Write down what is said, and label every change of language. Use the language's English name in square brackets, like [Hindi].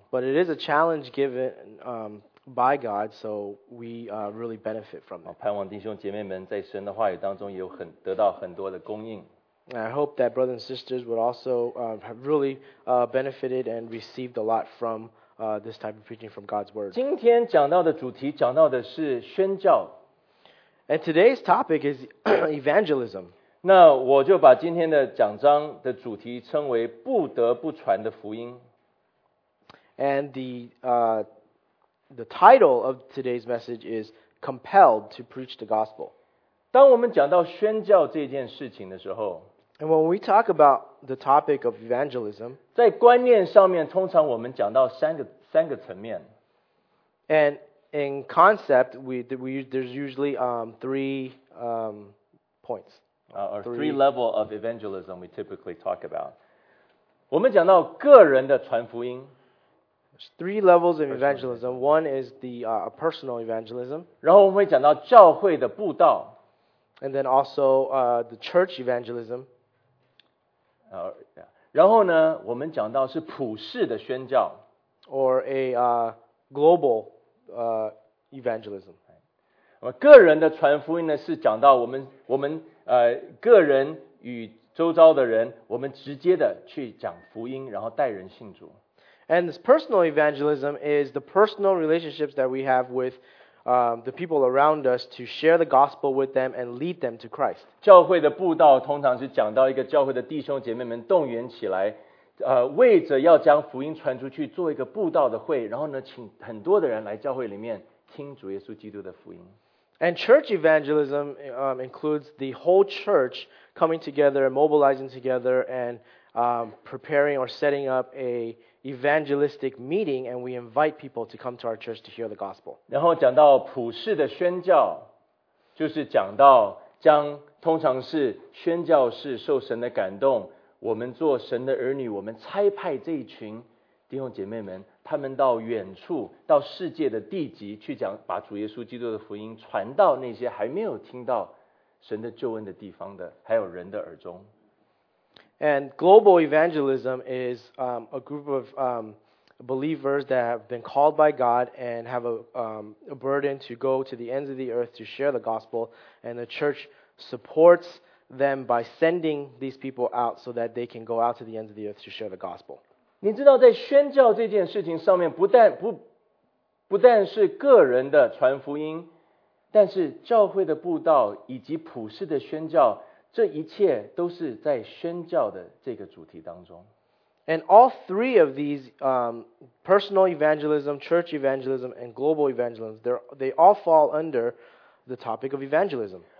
[English] But it is a challenge given by God, so we really benefit from it. [Chinese] 盼望弟兄姐妹们在神的话语当中有很得到很多的供应。 [English] I hope that brothers and sisters would also have really benefited and received a lot from this type of preaching from God's word. [Chinese] 今天讲到的主题讲到的是宣教。 [English] And today's topic is evangelism. [Chinese] 那我就把今天的讲章的主题称为不得不传的福音。 [English] And the title of today's message is Compelled to Preach the Gospel. [Chinese] 当我们讲到宣教这件事情的时候， [English] And when we talk about the topic of evangelism, [Chinese] 在观念上面，通常我们讲到三个层面。 [English] And in concept, there's usually points. Three level of evangelism we typically talk about. [Chinese] 我们讲到个人的传福音。 [English] Three levels of evangelism. One is the personal evangelism. [Chinese] 然后我们会讲到教会的布道。 [English] And then also the church evangelism. [Chinese] 然后呢，我们讲到是普世的宣教 [English] ，or a global evangelism。 [Chinese] 个人的传福音呢，是讲到我们个人与周遭的人，我们直接的去讲福音，然后带人信主。 [English] And this personal evangelism is the personal relationships that we have with the people around us to share the gospel with them and lead them to Christ. [Chinese] 教会的布道通常是讲到一个教会的弟兄姐妹们动员起来，为着要将福音传出去，做一个布道的会，然后呢，请很多的人来教会里面听主耶稣基督的福音。 [English] And church evangelism includes the whole church coming together, mobilizing together, and preparing or setting up a evangelistic meeting, and we invite people to come to our church to hear the gospel. [Chinese] 然后讲到普世的宣教，就是讲到将通常是宣教士受神的感动，我们做神的儿女，我们差派这一群弟兄姐妹们，他们到远处，到世界的地极去讲，把主耶稣基督的福音传到那些还没有听到神的救恩的地方的，还有人的耳中。 [English] And global evangelism is a group of believers that have been called by God and have a burden to go to the ends of the earth to share the gospel, and the church supports them by sending these people out so that they can go out to the ends of the earth to share the gospel. [Chinese] 你知道在宣教这件事情上面不但是个人的传福音，但是教会的布道以及普世的宣教，这一切都是在宣教的这个主题当中。 [English] And all three of these personal evangelism, church evangelism, and global evangelism, they all fall under the topic of evangelism.